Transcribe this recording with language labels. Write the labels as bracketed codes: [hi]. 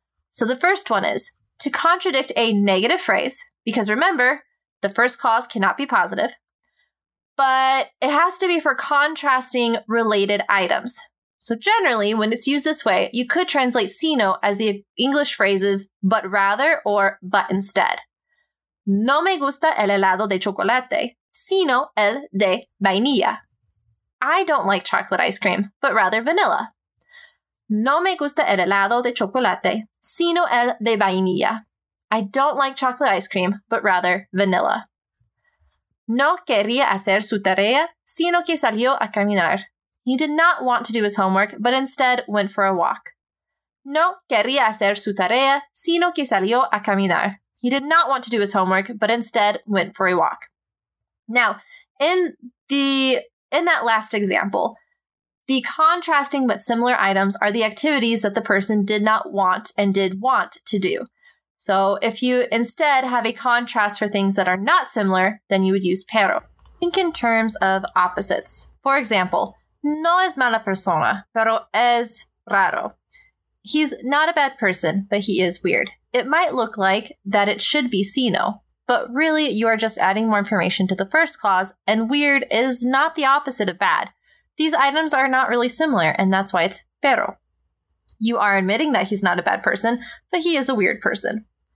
[en] So the first one is to contradict a negative phrase, because remember, the first clause cannot be positive, but it has to be for contrasting related items. So generally, when it's used this way, you could translate sino as the English phrases, but rather or but instead. [es] No me gusta el helado de chocolate, sino el de vainilla. [en] I don't like chocolate ice cream, but rather vanilla. [es] No me gusta el helado de chocolate, sino el de vainilla. [en] I don't like chocolate ice cream, but rather vanilla. [es] No quería hacer su tarea, sino que salió a caminar. [en] He did not want to do his homework, but instead went for a walk. [es] No quería hacer su tarea, sino que salió a caminar. [en] He did not want to do his homework, but instead went for a walk. Now, in that last example, the contrasting but similar items are the activities that the person did not want and did want to do. So if you instead have a contrast for things that are not similar, then you would use pero. Think in terms of opposites. For example, [es] no es mala persona, pero es raro. [en] He's not a bad person, but he is weird. It might look like that it should be sino, but really you are just adding more information to the first clause, and weird is not the opposite of bad. These items are not really similar, and that's why it's pero. You are admitting that he's not a bad person, but he is a weird person.